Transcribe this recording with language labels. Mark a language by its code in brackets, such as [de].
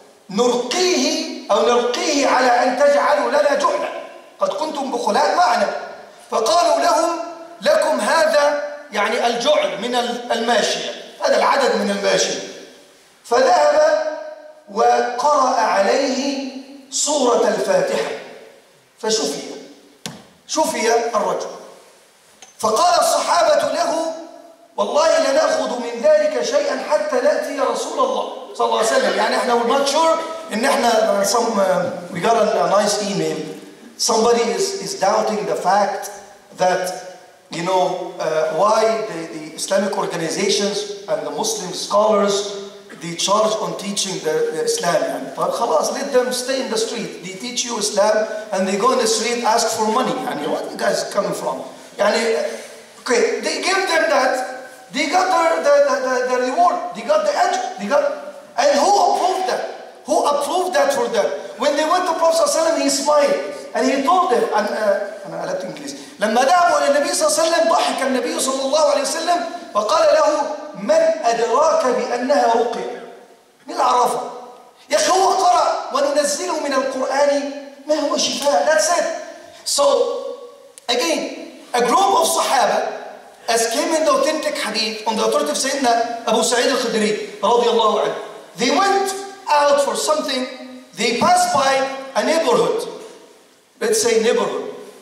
[ar] نرقيه على أن تجعلوا لنا جحنا، قد كنتم بخلاء معنا، فقالوا لهم لكم هذا يعني الجعل من الماشية، هذا العدد من الماشية، فذهب وقرأ عليه سورة الفاتحة فشفي الرجل. فقال الصحابة له والله لنأخذ من ذلك شيئا حتى نأتي رسول الله صلى الله عليه وسلم. يعني احنا [en] we're not sure [ar] ان احنا [en] we got a nice email. Somebody is doubting the fact that you know why the Islamic organizations and the Muslim scholars they charge on teaching the Islam. But [ar] خلاص, [en] let them stay in the street. They teach you Islam and they go in the street, ask for money. يعني, what are you guys coming from? يعني, okay, they give them that. They got the reward. They got the edge. They got, and who approved that? Who approved that for them? When they went to Prophet ﷺ, he smiled. And he told them, and I left English. [ar] لما دعوا إلى النبي صلى الله عليه وسلم ضحك النبي صلى الله عليه وسلم وقال له من أدراك بأنها رقية؟ من العرفة؟ يا أخي هو قرأ وننزله من القرآن ما هو شفاء؟ [en] That's it. So again, a group of صحابة as came in the authentic hadith on the authority of سيدنا أبو سعيد الخدري رضي الله عنه. They went out for something. They passed by a neighborhood. Let's say neighborhood.